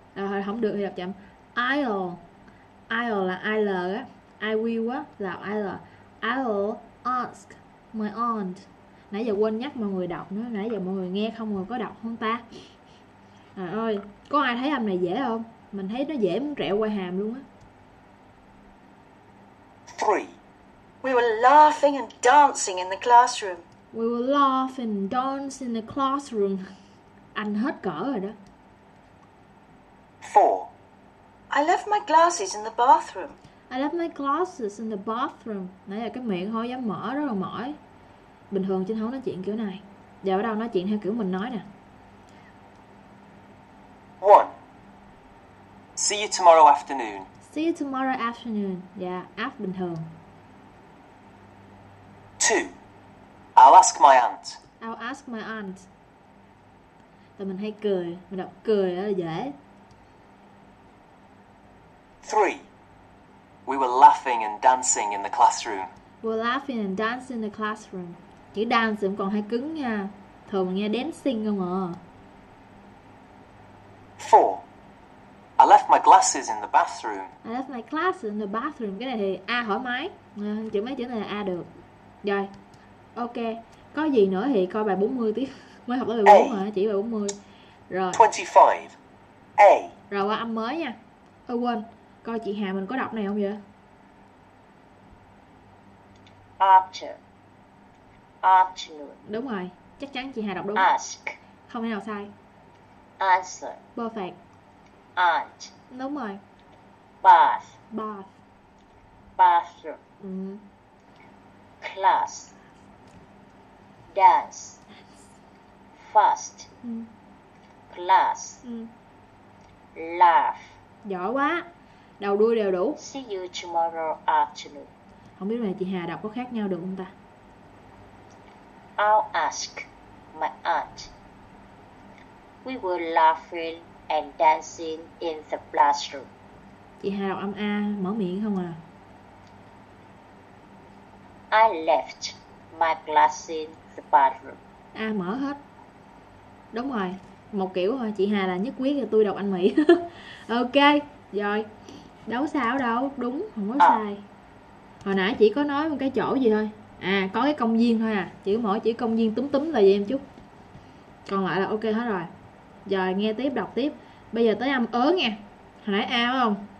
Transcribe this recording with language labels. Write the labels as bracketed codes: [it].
[vi] Rồi không được thì đọc chậm. I'll là I'll á. [en] I will [vi] á là I'll. [en] I'll ask my aunt. [vi] Nãy giờ quên nhắc mọi người đọc nữa. Nãy giờ mọi người nghe không, mọi người có đọc không ta? Trời ơi, có ai thấy âm này dễ không? Mình thấy nó dễ muốn rẽ qua hàm luôn á. [en] 3. We were laughing and dancing in the classroom. We were laughing and dancing in the classroom. [vi] Anh hết cỡ rồi đó. [en] 4. I left my glasses in the bathroom. I left my glasses in the bathroom. [vi] Nãy giờ cái miệng hơi dám mở rất là mỏi. Bình thường chính không nói chuyện kiểu này. Giờ bắt đầu nói chuyện theo kiểu mình nói nè. [en] 1. See you tomorrow afternoon. See you tomorrow afternoon. Yeah, after [vi] bình thường. [en] 2. I'll ask my aunt. I'll ask my aunt. [vi] Tại mình hay cười, mình đọc cười đó là dễ. 3. We were laughing and dancing in the classroom. We were laughing and dancing in the classroom. Chữ dance cũng còn hay cứng nha. Thường nghe dancing không ạ. [en] 4. I left my glasses in the bathroom. I left my glasses in the bathroom. [vi] Cái này thì A thoải mái. Chữ mấy chữ này là A được. Rồi. Ok. Có gì nữa thì coi bài 40 tiếp. Mới học tới bài 4 mà. Chỉ bài 40. Rồi. [en] 25. A. [vi] Rồi qua âm mới nha. Ôi quên. Coi chị Hà mình có đọc này không vậy? [en] Archer. Afternoon. [vi] Đúng rồi, chắc chắn chị Hà đọc đúng. [en] Ask. [vi] Không thể nào sai. [en] Answer. Perfect. Aunt. [vi] Đúng rồi. [en] Bath. Bath. Bathroom. Ừ. Class. Dance. First. Ừ. Class. Ừ. Laugh. [vi] Giỏi quá, đầu đuôi đều đủ. [en] See you tomorrow afternoon. [vi] Không biết là chị Hà đọc có khác nhau được không ta. [en] I'll ask my aunt. We were laughing and dancing in the classroom. [vi] Chị Hà đọc âm A, mở miệng không à? [en] I left my glasses in the bathroom. [vi] A mở hết. Đúng rồi, một kiểu thôi. Chị Hà là nhất quyết là tôi đọc anh Mỹ. Ok, rồi. Đâu sao đâu, đúng, không có sai. Hồi nãy chỉ có nói một cái chỗ gì thôi. À, có cái công viên thôi à. Chữ mỗi chữ công viên túm túm là gì em chút. Còn lại là ok hết rồi. Rồi nghe tiếp, đọc tiếp. Bây giờ tới âm ớ nha. Hồi nãy A phải không?